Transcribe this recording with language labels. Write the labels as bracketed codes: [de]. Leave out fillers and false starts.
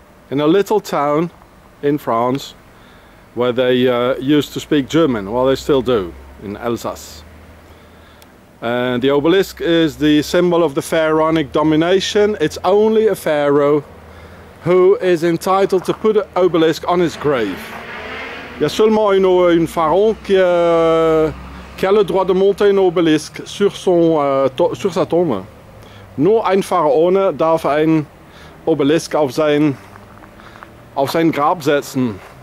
[en] In a little town in France where they used to speak German. Well, they still do, in Alsace. And the obelisk is the symbol of the pharaonic domination. It's only a pharaoh who is entitled to put an obelisk on his grave. [fr] Il y a seulement un pharaon qui a le droit de monter un obelisque sur sa tombe. [de] Nur ein Pharaon darf ein Obelisk auf sein Grab setzen.